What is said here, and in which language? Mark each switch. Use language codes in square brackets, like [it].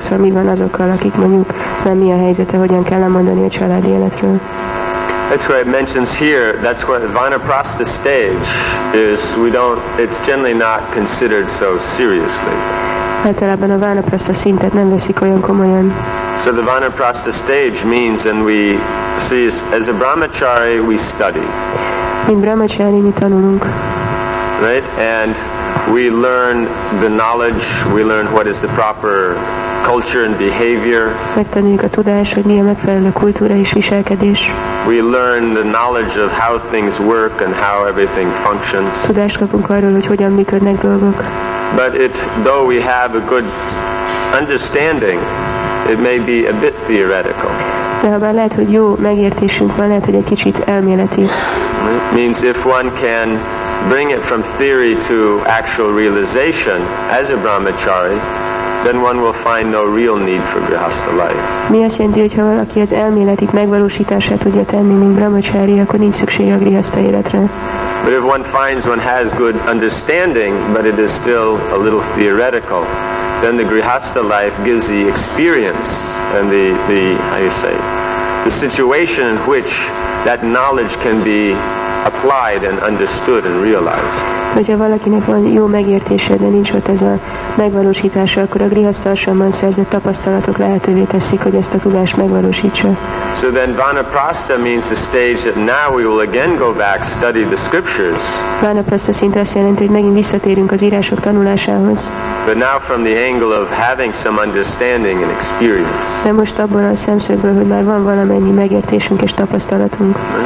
[hu] Szóval mi van azokkal, akik mondjuk nem mi a helyzete, hogyan kell lemondani a család életről. [en] That's what it mentions here. That's what Vanaprastha stage is. It's generally not considered so seriously. [hu] Általában a Vanaprastha szintet nem veszik olyan komolyan. [en] So the Vanaprastha stage means, and we see, as a brahmachari, we study. [hu] Mint brahmachari, mi tanulunk. [en] Right? And we learn the knowledge, we learn what is the proper culture and behavior. [hu] Megtanuljuk a tudást, hogy mi a megfelelő kultúra és viselkedés. [en] We learn the knowledge of how things work and how everything functions. [hu] Tudást kapunk arról, hogy hogyan működnek dolgok. [en] But though we have a good understanding, it may be a bit theoretical. [hu] De ha bár lehet, hogy jó megértésünk van, lehet, hogy egy kicsit elméleti. [en] It means if one can bring it from theory to actual realization as a brahmachari, then one will find no real need for grihastha life. [hu] Mi azt jelenti, hogy ha valaki az elméletik megvalósítását tudja tenni, mint brahmachari, akkor nincs szüksége a grihastha életre. [en] But if one finds one has good understanding, but it is still a little theoretical, then the grihastha life gives the experience and the situation in which that knowledge can be applied and understood and realized. [hu] Hogyha valakinek van jó megértése, de nincs ott ez a megvalósítása, akkor a grihastha ashramban szerzett tapasztalatok lehetővé teszik, hogy ezt a tudást megvalósítsa. [en] So then vanaprastha means the stage that now we will again go back, study the scriptures. [hu] Vanaprastha szinte azt jelenti, hogy megint visszatérünk az írások tanulásához. [en] But now from the angle of having some understanding and experience. [hu] De most abban a szemszögből, hogy már van valamennyi megértésünk és tapasztalatunk.